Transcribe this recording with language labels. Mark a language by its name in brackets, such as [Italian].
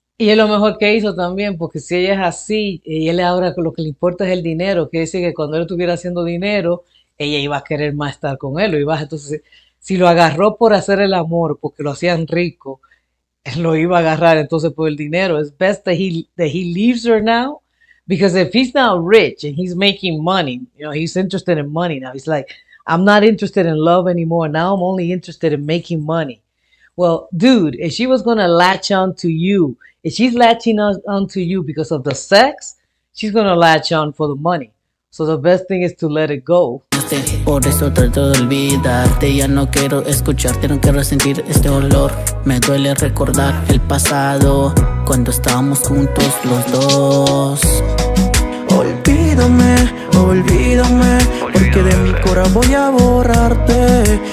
[Spanish] Y es lo mejor que hizo también, porque si ella es así y él ahora lo que le importa es el dinero, quiere decir que cuando él estuviera haciendo dinero, ella iba a querer más estar con él. Entonces, si lo agarró por hacer el amor, porque lo hacían rico, él lo iba a agarrar entonces por el dinero. [English] Es best that he leaves her now, because if he's now rich and he's making money, he's interested in money now. He's like, I'm not interested in love anymore. Now I'm only interested in making money. Well, dude, if she was gonna latch on to you, if she's latching on to you because of the sex, she's gonna latch on for the money. So the best thing is to let it go. [Spanish] Por eso trato de olvidarte. Ya no quiero escucharte, no quiero sentir este dolor. Me duele recordar el pasado, cuando estábamos juntos los dos. Olvídame, olvídame, porque de mi corazón voy a borrarte.